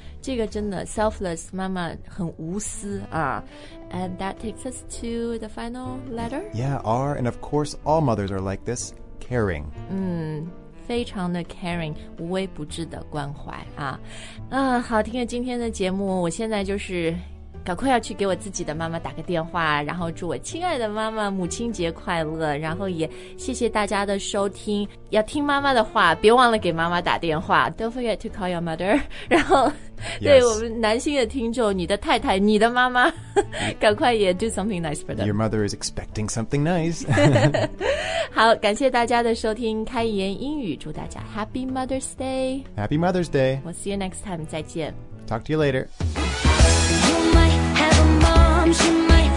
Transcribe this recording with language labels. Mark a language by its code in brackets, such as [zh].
[zh] 这个真的 selfless, 妈妈很无私啊。 [en] And that takes us to the final letter? Yeah, R, and of course all mothers are like this, caring. 嗯。 [zh] 非常的 caring, 无微不至的关怀啊。啊，好，听了今天的节目，我现在就是赶快要去给我自己的妈妈打个电话，然后祝我亲爱的妈妈母亲节快乐，然后也谢谢大家的收听，要听妈妈的话，别忘了给妈妈打电话， [en] Don't forget to call your mother. [zh] 然后、 [en] yes. [zh] 对我们男性的听众，你的太太，你的妈妈，赶快也 [en] do something nice for them. Your mother is expecting something nice. [zh] 好，感谢大家的收听，开言英语，祝大家 [en] Happy Mother's Day. Happy Mother's Day. We'll see you next time. 再见。 Talk to you later. You might have a mom, she might